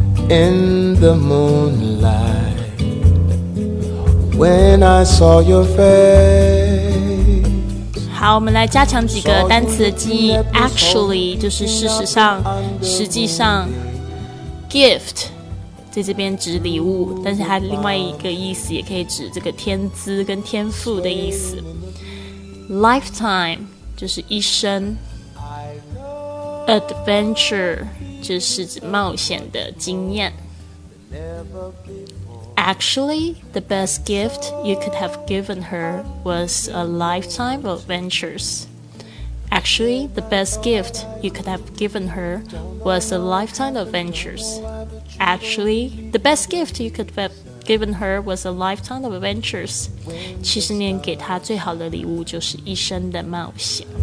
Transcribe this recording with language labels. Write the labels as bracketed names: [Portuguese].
[English] In the moonlight, when I saw your face. [Chinese] 好，我们来加强几个单词的记忆。 Actually, 就是事实上，实际上。 Gift, 在这边指礼物，但是它另外一个意思也可以指这个天资跟天赋的意思。 Lifetime, 就是一生。Adventure.就是指冒险的经验。 [English] Actually, the best gift you could have given her was a lifetime of adventures. Actually, the best gift you could have given her was a lifetime of adventures. Actually, the best gift you could have given her was a lifetime of adventures. [Chinese] 其实你给她最好的礼物就是一生的冒险。